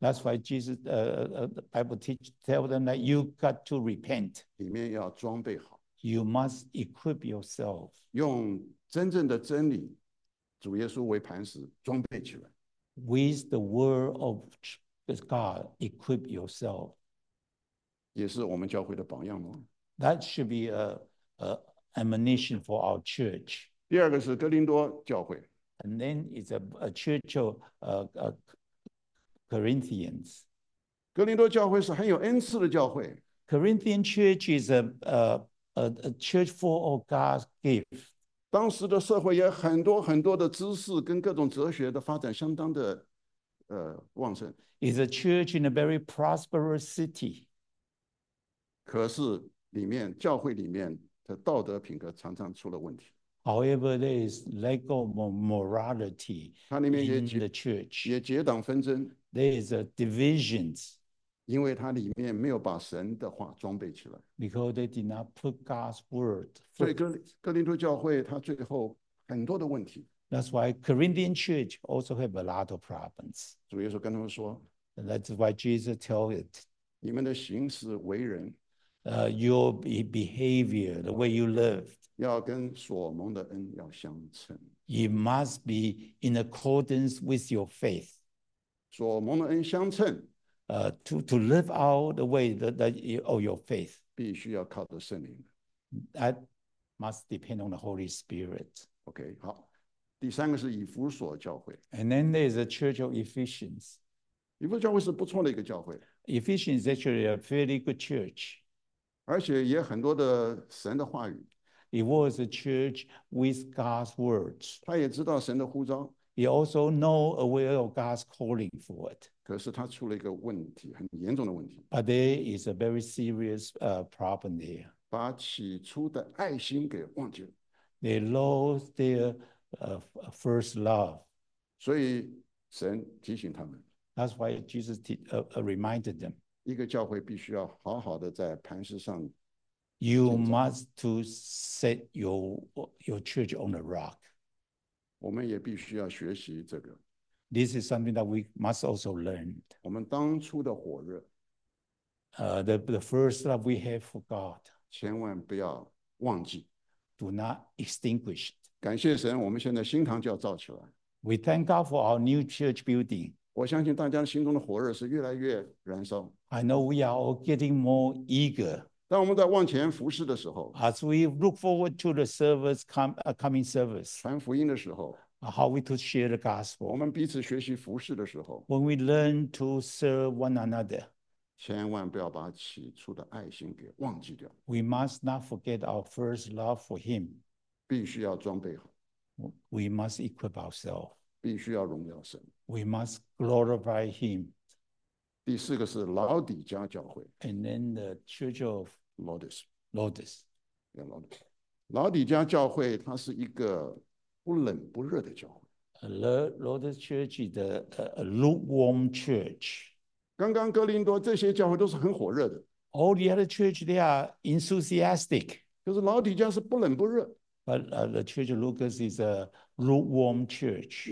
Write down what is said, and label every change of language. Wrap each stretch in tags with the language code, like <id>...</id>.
<en>That's why Jesus, the Bible teach tell them that you got to repent.</en> <zh>里面要装备好。</zh> <en>You must equip yourself.</en> <zh>用真正的真理，主耶稣为磐石，装备起来。</zh> <en>With the word of God, equip yourself.</en> <zh>也是我们教会的榜样吗？</zh> <en>That should be a admonition for our church.</en> <zh>第二个是哥林多教会。</zh> <en>And then it's a church of Corinthians.</en> <zh>哥林多教会是很有恩赐的教会。</zh> <en>Corinthian church is a church full of God's gift.</en> <zh>当时的社会也很多很多的知识跟各种哲学的发展相当的旺盛。</zh> <en>It's a church in a very prosperous city.</en> <zh>可是里面教会里面的道德品格常常出了问题。</zh> <en>However, there is lack of morality in the church.</en> <zh>也结党纷争。</zh> <en>There is a divisions.</en> <zh>因为它里面没有把神的话装备起来。</zh> <en>Because they did not put God's word.</en> <zh>所以哥林多教会它最后很多的问题。</zh> <en>That's why Corinthian church also have a lot of problems.</en> <zh>主耶稣跟他们说。</zh> <en>That's why Jesus tell it.</en> <zh>你们的行事为人。</zh> <en>Your behavior, the way you live.</en> <zh>要跟所蒙的恩要相称。</zh> <en>You must be in accordance with your faith.</en> <zh>所蒙的恩相称。</zh> <en>To live out the way of your faith.</en> <zh>必须要靠着圣灵。</zh> <en>That must depend on the Holy Spirit.</en> <zh>Okay, 好。第三个是以弗所教会。</zh> <en>And then there is a church of Ephesians.</en> <zh>以弗所教会是不错的一个教会。</zh> <en>Ephesians is actually a fairly good church.</en> <zh>而且也很多的神的话语。</zh> <en>It was a church with God's words.</en> <zh>他也知道神的呼召。</zh> <en>He also know aware of God's calling for it.</en> <zh>可是他出了一个问题，很严重的问题。</zh> <en>But there is a very serious problem there.</en> <zh>把起初的爱心给忘记了。</zh> <en>They lost their first love.</en> <zh>所以神提醒他们。</zh> <en>That's why Jesus reminded them.</en> <zh>一个教会必须要好好的在磐石上。</zh> <en>You must to set your church on the rock.</en> <zh>我们也必须要学习这个。</zh> <en>This is something that we must also learn.</en> <zh>我们当初的火热。</zh> <en>The first love we have for God.</en> <zh>千万不要忘记。</zh> <en>Do not extinguish it.</en> <zh>感谢神，我们现在新堂就要造起来。</zh> <en>We thank God for our new church building.</en> <zh>我相信大家心中的火热是越来越燃烧。</zh> <en>I know we are all getting more eager.</en> <zh>当我们在往前服事的时候</zh> <en>，As we look forward to the service coming service，</en> <zh>传福音的时候</zh> <en>，How we to share the gospel，</en> <zh>我们彼此学习服事的时候</zh> <en>，When we learn to serve one another，</en> <zh>千万不要把起初的爱心给忘记掉。</zh> <en>We must not forget our first love for Him，</en> <zh>必须要装备好。</zh> <en>We must equip ourselves，</en> <zh>必须要荣耀神。</zh> <en>We must glorify Him。</en> <zh>第四个是老底家教会</zh> <en>，and then the Church of</en> <zh>Lodis， 老底家教会它是一个不冷不热的教会。</zh> <en>Lodis Church is a lukewarm church。</en> <zh>刚刚哥林多这些教会都是很火热的。</zh> <en>All the other church they are enthusiastic。</en> <zh>就是老底家是不冷不热。</zh> <en>But the Church of Lucas is a lukewarm church。</en>